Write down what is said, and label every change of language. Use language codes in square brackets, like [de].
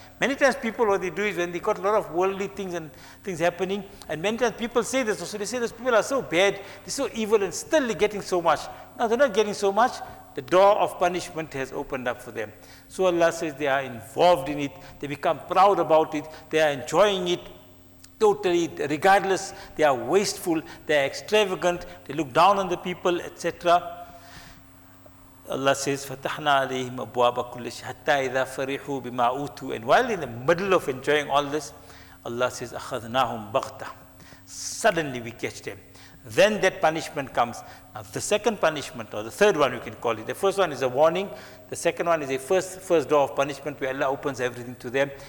[en] Many times people, what they do is, when they got a lot of worldly things and things happening, and many times people say this, so they say those people are so bad, they're so evil, and still they're getting so much. Now they're not getting so much. The door of punishment has opened up for them. So Allah says they are involved in it. They become proud about it. They are enjoying it totally. Regardless, they are wasteful. They are extravagant. They look down on the people, etc. Allah says, [ar] فَتَحْنَا عَلَيْهِمْ أَبْوَابَ كُلِّ شَيْءٍ حَتَّى إِذَا فَرِحُوا بِمَا أُوتُوا. [en] And while in the middle of enjoying all this, Allah says, [ar] أَخَذْنَاهُمْ بَغْتَةً. [en] Suddenly we catch them. Then that punishment comes. Now the second punishment, or the third one you can call it. The first one is a warning. The second one is a first door of punishment where Allah opens everything to them.